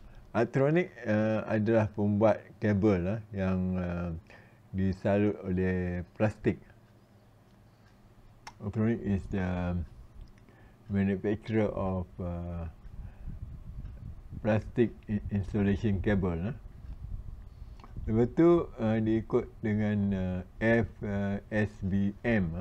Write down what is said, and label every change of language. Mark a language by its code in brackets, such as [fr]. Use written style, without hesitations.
[ms] Artronic adalah pembuat kabel yang disalut oleh plastik. [en] Artronic is the manufacturer of plastic insulation kabel. [ms] Lepas tu diikut dengan FSBM.